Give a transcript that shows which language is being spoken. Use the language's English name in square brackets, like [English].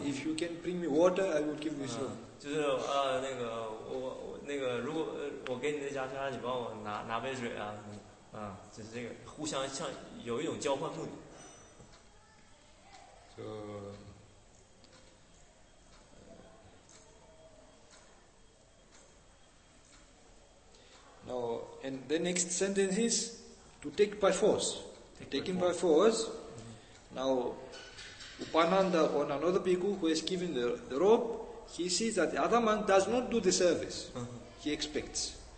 [English] If you can bring me water, I would give you this rope. [Chinese] 就是那个我那个如果我给你的袈裟，你帮我拿杯水啊，就是这个互相像有一种交换目的。 [English] So, now and the next sentence is to take by force. Taken by force. Now, Upananda, or another bhikkhu who has given the rope, he sees that the other monk does not do the service he expects.